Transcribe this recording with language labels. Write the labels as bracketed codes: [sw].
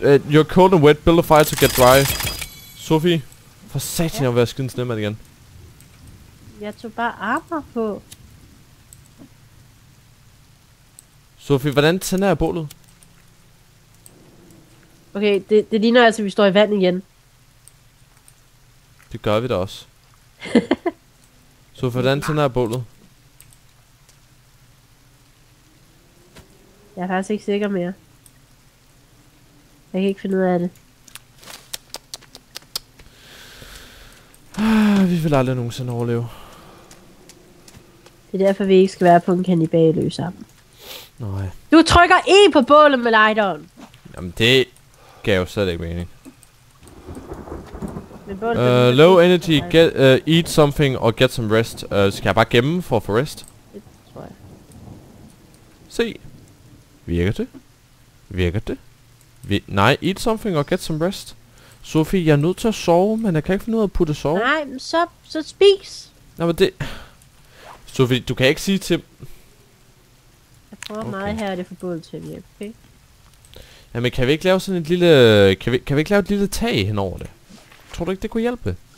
[en] You're cold and wet, build a fire to get dry. [da] Sophie, for satan, jeg vil være skidens nemmand igen. Jeg tog bare armor på. Sophie, hvordan tænder jeg bålet? Okay, det ligner altså, vi står i vand igen. Det gør vi da også. Sophie, hvordan tænder jeg bålet? Jeg er faktisk ikke sikker mere. Jeg kan ikke finde ud af det. Vi vil aldrig nogensinde overleve. Det er derfor, vi ikke skal være på en kannibalø sammen. Nej. Du trykker E på bålet med lighteren. Jamen det gav jo slet ikke mening. [en] Low energy, get, eat something or get some rest. [da] Skal jeg bare gemme for at få rest? Det tror jeg. Se. Virker det? Virker det? [en] Nej, eat something or get some rest. [da] Sophie, jeg er nødt til at sove, men jeg kan ikke finde ud af at putte sove. Nej, så spis. Nej, men det... Sophie, du kan ikke sige til... Hvor okay. Meget her er det forbudt til at hjælpe, ikke? Jamen kan vi ikke lave sådan et lille... Kan vi ikke lave et lille tag henover det? Tror du ikke, det kunne hjælpe?